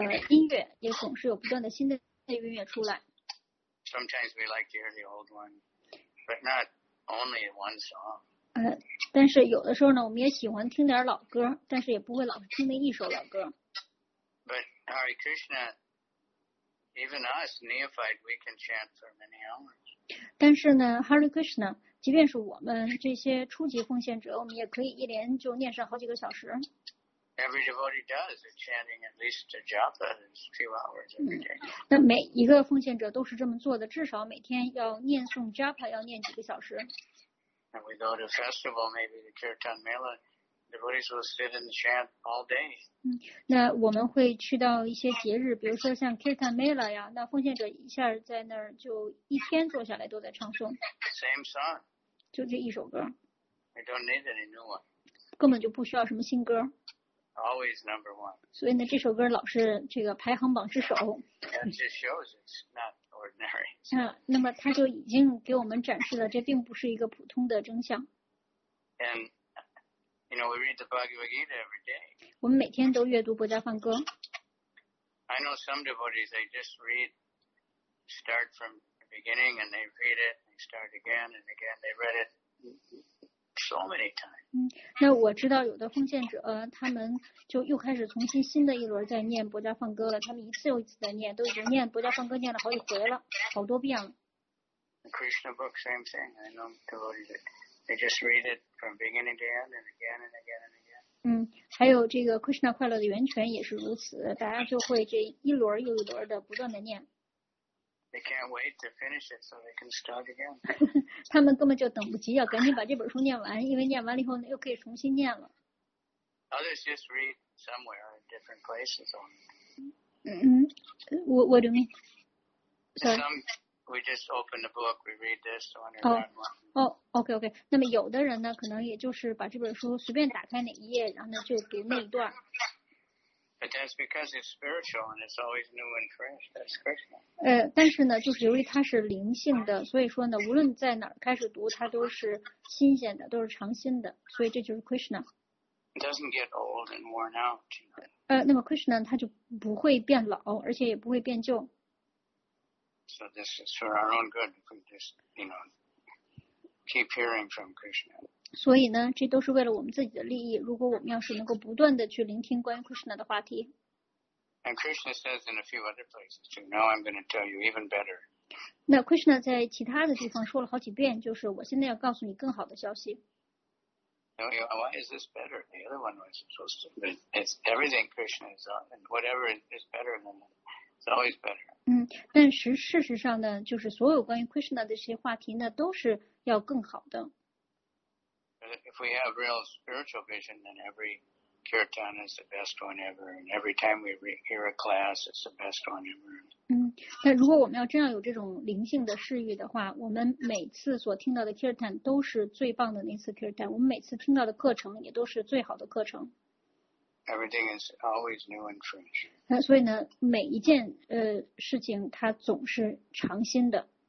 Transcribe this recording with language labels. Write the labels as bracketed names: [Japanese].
[Chinese] 音乐也总是有不断的新的音乐出来。 [English] Sometimes we like to hear the old one, but not only one song. [Chinese] 但是有的时候呢，我们也喜欢听点老歌，但是也不会老听那一首老歌。 [English] But Hare Krishna, even us neophyte, we can chant for many hours. [Chinese] 但是呢 ，Hare Krishna。即便是我们这些初级奉献者，我们也可以一连就念上好几个小时。 [English] Every devotee does, chanting at least a japa is a few hours every day. [Chinese] 那每一个奉献者都是这么做的，至少每天要念诵japa要念几个小时。 [English] And we go to a festival, maybe the Kirtan Mela, devotees will sit and chant all day. [Chinese] 那我们会去到一些节日，比如说像 Kirtan Mela 呀，那奉献者一下在那儿就一天坐下来都在唱诵。 [English] Same song. [Chinese] 就这一首歌。 [English] I don't need any new one. [Chinese] 根本就不需要什么新歌。 [English] Always number one. [Chinese] 所以呢，这首歌老是这个排行榜之首。 [English] That just shows it's not ordinary. [Chinese] 那么它就已经给我们展示了，这并不是一个普通的真相。 [English] And you know, we read the Bhagavad Gita every day. [Chinese] 我们每天都阅读《博伽梵歌》。 [English] I know some devotees; they just read, start from the beginning, and they read it, and start again and again. They read it. So many times. [Chinese] 那我知道有的奉献者，他们就又开始重新新的一轮在念《博伽梵歌》了。他们一次又一次的念，都已经念《博伽梵歌》念了好几回了，好多遍了。 [English] Krishna book, same thing. I know devotees; they just read it from beginning to end, and again and again and again. [Chinese] 还有这个《Krishna 快乐的源泉》也是如此，大家就会这一轮又一轮的不断的念。 [English] They can't wait to finish it so they can start again. [Chinese] 他们根本就等不及，要赶紧把这本书念完，因为念完了以后呢，又可以重新念了。 [English] Others just read somewhere in different places only. What do you mean? Sorry. We just open the book, we read this one and one. OK. [Chinese] 那么有的人呢，可能也就是把这本书随便打开哪一页，然后呢就读那一段。 [English] But that's because it's spiritual and it's always new and fresh. That's Krishna. [Chinese] 但是呢，就是由于它是灵性的，所以说呢，无论在哪儿开始读，它都是新鲜的，都是常新的，所以这就是 Krishna. [English] It doesn't get old and worn out. [Chinese] 那么 Krishna 它就不会变老，而且也不会变旧。 [English] So this is for our own good. We just, you know, keep hearing from Krishna. [Chinese] 所以呢，这都是为了我们自己的利益。如果我们要是能够不断的去聆听关于 Krishna 的话题。 [English] And Krishna says in a few other places, you know, I'm going to tell you even better. [Chinese] 那 Krishna 在其他的地方说了好几遍，就是我现在要告诉你更好的消息。 [English] Why is this better? The other one was supposed to. It's everything Krishna is on, and whatever is better than that. It's always better. [Chinese] 但是事实上呢，就是所有关于 Krishna 的这些话题呢，都是要更好的。 [English] If we have real spiritual vision, then every Kirtan is the best one ever, and every time we hear a class, it's the best one ever. [Chinese] 那如果我们要真要有这种灵性的视域的话，我们每次所听到的 Kirtan 都是最棒的那次 Kirtan， 我们每次听到的课程也都是最好的课程。 [English] Everything is always new and fresh. [Chinese] 那所以呢，每一件事情它总是尝新的。